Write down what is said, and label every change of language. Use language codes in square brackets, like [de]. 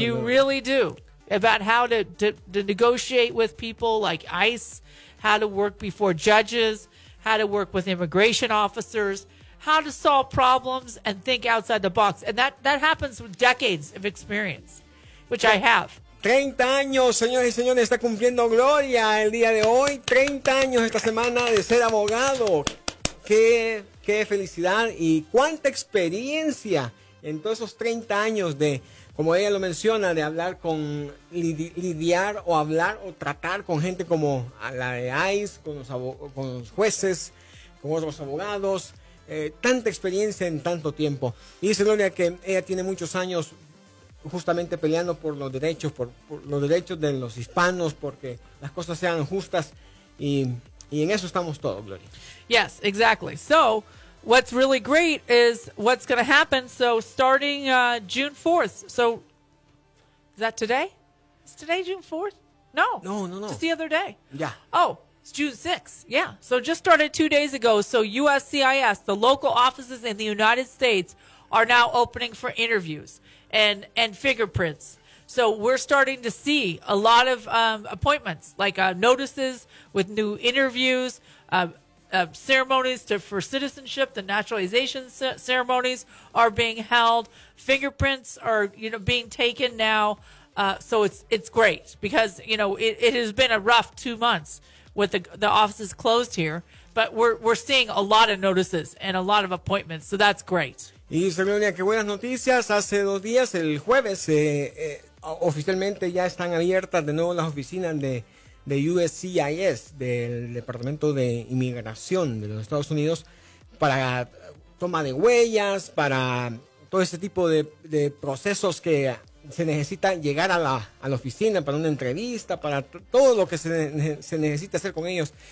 [en] You really do. About how to negotiate with people like ICE, how to work before judges, how to work with immigration officers, how to solve problems and think outside the box. And that happens with decades of experience, which I have. [es] 30 años, señores y señores, está cumpliendo Gloria el día de hoy. 30 años esta semana de ser abogado. Qué felicidad y cuánta experiencia en todos esos 30 años de, como ella lo menciona, de hablar con, lidiar o hablar o tratar con gente como la de ICE, con los jueces, con otros abogados, tanta experiencia en tanto tiempo. Y dice Gloria que ella tiene muchos años justamente peleando por los derechos, por los derechos de los hispanos, porque las cosas sean justas y... Y en eso estamos todos, Gloria. [en] Yes, exactly. So, what's really great is what's going to happen. So, starting June 4th. So, is that today? Is today June 4th? No. No, no, no. Just the other day. Yeah. Oh, It's June 6th. Yeah. So just started 2 days ago. So USCIS, the local offices in the United States, are now opening for interviews and fingerprints. So we're starting to see a lot of appointments, like notices with new interviews, ceremonies for citizenship. The naturalization ceremonies are being held. Fingerprints are, you know, being taken now. So it's great because, you know, it has been a rough 2 months with the offices closed here. But we're seeing a lot of notices and a lot of appointments. So that's great. [es] Y Sonia, qué buenas noticias. Hace 2 días, el jueves, oficialmente ya están abiertas de nuevo las oficinas de USCIS, del Departamento de Inmigración de los Estados Unidos, para toma de huellas, para todo ese tipo de procesos que se necesita llegar a la oficina para una entrevista, para todo lo que se necesita hacer con ellos.